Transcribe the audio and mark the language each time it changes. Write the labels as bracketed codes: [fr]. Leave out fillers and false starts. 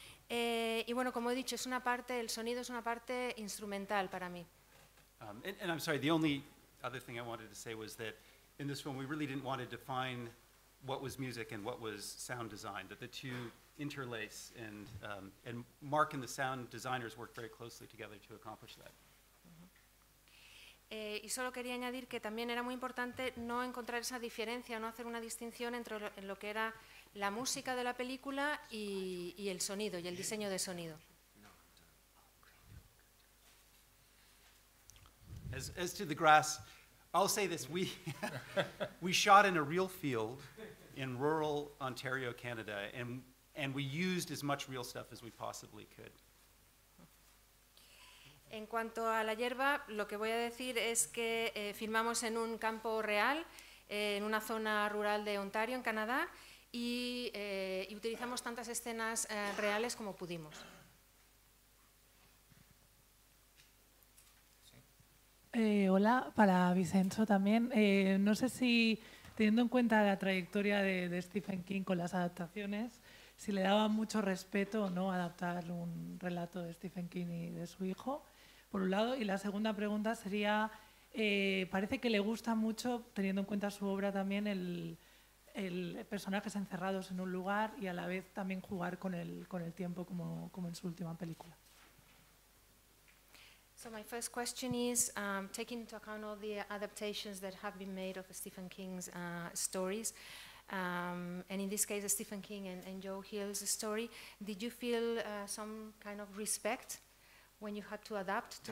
[es] Y bueno, como he dicho, es una parte, el sonido es una parte instrumental para mí. [en] And I'm sorry, the only other thing I wanted to say was that in this film, we really didn't want to define what was music and what was sound design, that the two interlace, and Mark and the sound designers worked very closely together to accomplish that. [es] Y solo quería añadir que también era muy importante no encontrar esa diferencia, no hacer una distinción entre lo que era la música de la película y el sonido, y el diseño de sonido. [en] As to the grass, I'll say this, we shot in a real field in rural Ontario, Canada, and we used as much real stuff as we possibly could. [es] En cuanto a la hierba, lo que voy a decir es que filmamos en un campo real, en una zona rural de Ontario, en Canadá, y utilizamos tantas escenas reales como pudimos. Hola, para Vicenzo también. No sé si, teniendo en cuenta la trayectoria de Stephen King con las adaptaciones, si le daba mucho respeto o no adaptar un relato de Stephen King y de su hijo, por un lado. Y la segunda pregunta sería, parece que le gusta mucho, teniendo en cuenta su obra también, el personajes encerrados en un lugar y a la vez también jugar con el tiempo como en su última película. [en] So my first question is, taking into account all the adaptations that have been made of Stephen King's stories, and in this case, Stephen King and Joe Hill's story, did you feel some kind of respect when you had to adapt to,